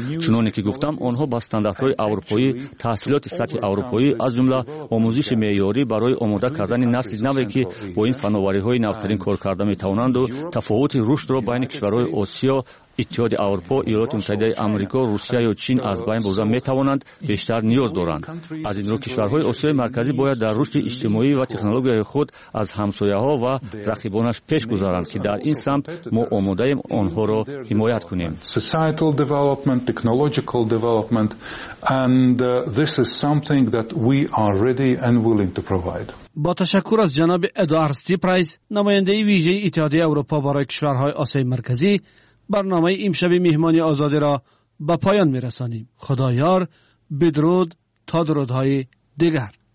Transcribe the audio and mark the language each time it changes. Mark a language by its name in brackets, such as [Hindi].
[Persian] چنانی که گفتم آنها با استانداردهای اروپایی، تحصیلات سطح اروپایی از جمله آموزش معیاری برای آماده کردن نسل نوی که با این فناوریهای نوترین کار کرده میتوانند و تفاوت رشد را بین کشورهای آسیا، اتحاد اروپا، ایالات متحده آمریکا، روسیه و چین از بین برده میتوانند بیشتر نیاز دارند. از این رو کشورهای آسیای مرکزی باید در رشد اجتماعی و تکنولوژی خود از همسایه‌ها و رقیبانش پیش گذارند که در این سمت ما آماده ایم آنها را حمایت کنیم. [English] Societal development, technological development, and this is something that we are ready and willing to provide. [Persian] با تشکر از جناب ادوارد استیپرایز، نماینده ویژه اتحاد اروپا برای کشورهای آسیای مرکزی، برنامه امشب مهمانی آزادی را به پایان می رسانیم. خدا یار، بدرود تا درودهای دیگر.